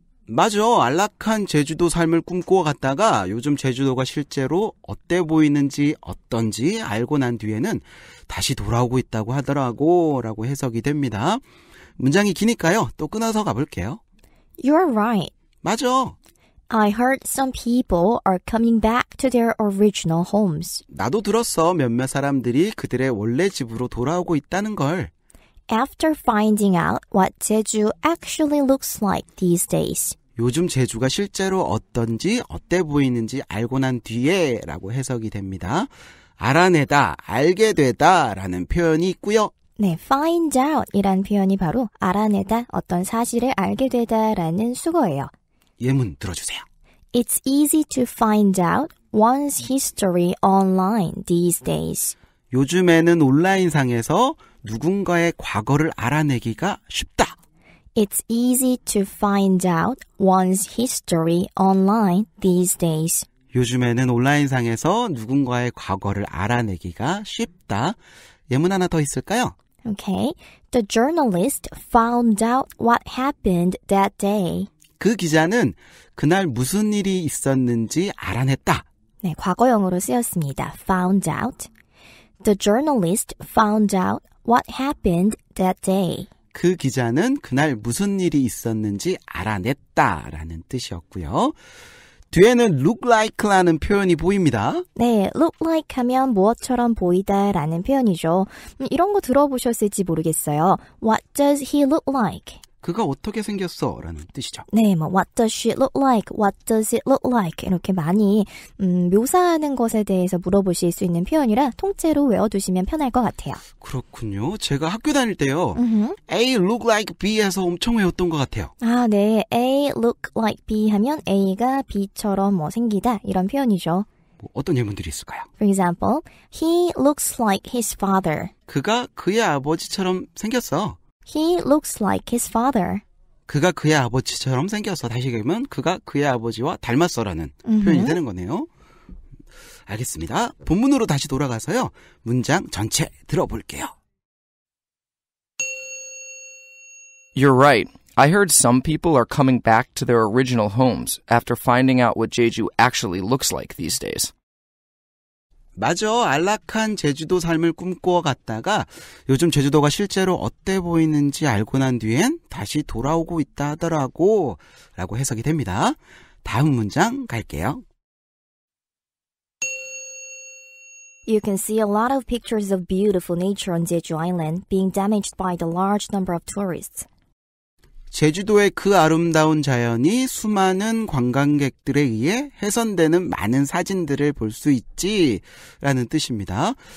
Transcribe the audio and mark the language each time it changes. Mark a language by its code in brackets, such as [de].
[ko] 맞아. 안락한 제주도 삶을 꿈꾸어 갔다가 요즘 제주도가 실제로 어때 보이는지 어떤지 알고 난 뒤에는 다시 돌아오고 있다고 하더라고 라고 해석이 됩니다. 문장이 기니까요. 또 끊어서 가볼게요. [en] You're right. [ko] 맞아. [en] I heard some people are coming back to their original homes. [ko] 나도 들었어. 몇몇 사람들이 그들의 원래 집으로 돌아오고 있다는 걸. [en] After finding out what Jeju actually looks like these days. [ko] 요즘 제주가 실제로 어떤지 어때 보이는지 알고 난 뒤에 라고 해석이 됩니다. 알아내다, 알게 되다 라는 표현이 있고요. 네, find out 이란 표현이 바로 알아내다, 어떤 사실을 알게 되다 라는 수거예요. 예문 들어주세요. [en] It's easy to find out one's history online these days. [ko] 요즘에는 온라인상에서 누군가의 과거를 알아내기가 쉽다. [en] It's easy to find out one's history online these days. [ko] 요즘에는 온라인상에서 누군가의 과거를 알아내기가 쉽다. 예문 하나 더 있을까요? [en] Okay. The journalist found out what happened that day. [ko] 그 기자는 그날 무슨 일이 있었는지 알아냈다. 네, 과거형으로 쓰였습니다. [en] found out. The journalist found out what happened that day. [ko] 그 기자는 그날 무슨 일이 있었는지 알아냈다라는 뜻이었고요. 뒤에는 look like라는 표현이 보입니다. 네, look like 하면 무엇처럼 보이다라는 표현이죠. 이런 거 들어보셨을지 모르겠어요. [en] What does he look like? [ko] 그가 어떻게 생겼어? 라는 뜻이죠. 네, 뭐 [en] What does she look like? What does it look like? [ko] 이렇게 많이 묘사하는 것에 대해서 물어보실 수 있는 표현이라 통째로 외워두시면 편할 것 같아요. 그렇군요. 제가 학교 다닐 때요. A look like B에서 엄청 외웠던 것 같아요. 아, 네. A look like B 하면 A가 B처럼 뭐 생기다 이런 표현이죠. 뭐 어떤 예문들이 있을까요? [en] For example, he looks like his father. [ko] 그가 그의 아버지처럼 생겼어. [en] He looks like his father. [ko] 그가 그의 아버지처럼 생겼어. 다시 얘기하면 그가 그의 아버지와 닮았어라는 표현이 되는 거네요. 알겠습니다. 본문으로 다시 돌아가서요. 문장 전체 들어볼게요. [en] You're right. I heard some people are coming back to their original homes after finding out what Jeju actually looks like these days. [ko] 맞아. 안락한 제주도 삶을 꿈꾸어 갔다가 요즘 제주도가 실제로 어때 보이는지 알고 난 뒤엔 다시 돌아오고 있다 하더라고 라고 해석이 됩니다. 다음 문장 갈게요. [en] You can see a lot of pictures of beautiful nature on Jeju Island being damaged by the large number of tourists. [ko] 제주도의 그 아름다운 자연이 수많은 관광객들에 의해 훼손되는 많은 사진들을 볼 수 있지 라는 뜻입니다.